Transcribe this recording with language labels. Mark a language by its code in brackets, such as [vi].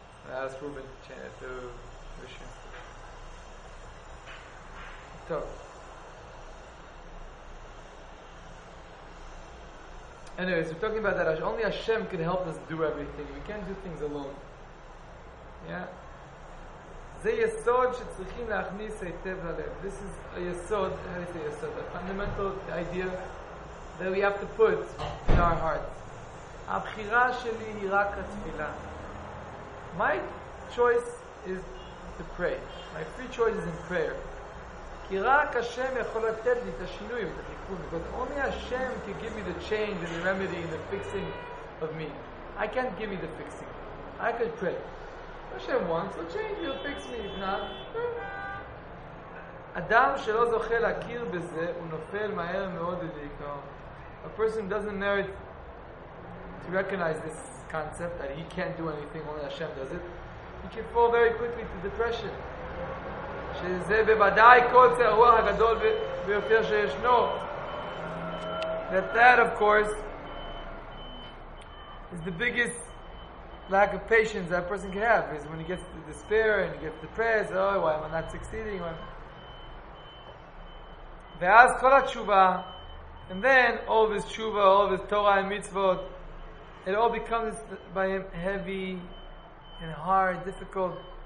[en] I asked Ruben to wish him. So. Anyways, we're talking about that. Only Hashem can help us do everything. We can't do things alone. Yeah? [he] זה יסוד שצריכים להכניס היטב ללב. [en] This is a yesod, how do you say yesod? A fundamental idea that we have to put in our hearts. [he] הבחירה שלי היא רק התפילה. [en] My choice is to pray. My free choice is in prayer. [he] כי רק השם יכול לתת לי את השינוי, את התיקון. [en] Because only Hashem can give me the change and the remedy and the fixing of me. I can't give me the fixing. I could pray. Hashem wants, he'll change, he'll fix me, if not. [he] אדם שלא זוכה להכיר בזה, הוא נופל מהר מאוד לדיכאון. [en] A person doesn't merit to recognize this concept that he can't do anything, only Hashem does it. He can fall very quickly to depression. [he] שזה בוודאי קוצר הרוח הגדול ביותר שישנו. [en] That, of course, is the biggest lack of patience that a person can have is when he gets to despair and he gets depressed. Oh, why am I not succeeding? [he] Ve'az kol ha'tshuva, [en] and then all of his tshuva, all of his Torah and mitzvot, it all becomes by him heavy and hard, difficult.